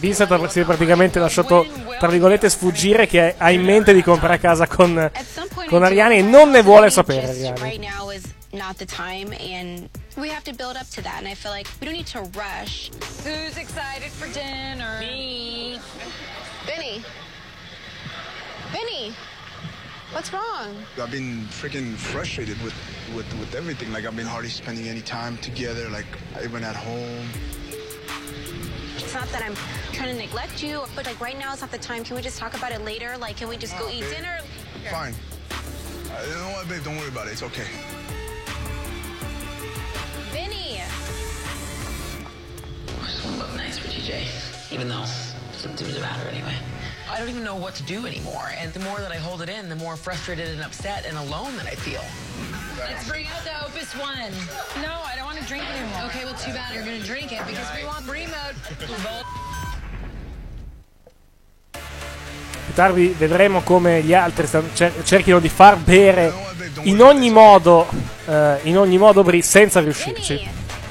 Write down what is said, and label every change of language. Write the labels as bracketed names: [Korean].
[Italian] Vincent ha si praticamente lasciato, tra virgolette, sfuggire che ha in mente di comprare casa con Ariane e non ne vuole sapere, Ariane. [English] Right now is not the time and... We have to build up to that, and I feel like we don't need to rush. Who's excited for dinner? Me. Benny. Benny. What's wrong? I've been freaking frustrated with everything. Like, I've been hardly spending any time together, like, even at home. It's not that I'm trying to neglect you, but, like, right now is not the time. Can we just talk about it later? Like, can we just eat dinner? Fine. You know what, babe? Don't worry about it. It's okay. Vinny! I just want to look nice for TJ. Even though it doesn't matter anyway. I don't even know what to do anymore. And the more that I hold it in, the more frustrated and upset and alone that I feel. Let's bring out the Opus One. No, I don't want to drink anymore. Okay, well, too bad. You're going to drink it because we want Brie mode. [Italian] Tardi vedremo come gli altri cerchino di far bere in ogni modo Brie senza riuscirci.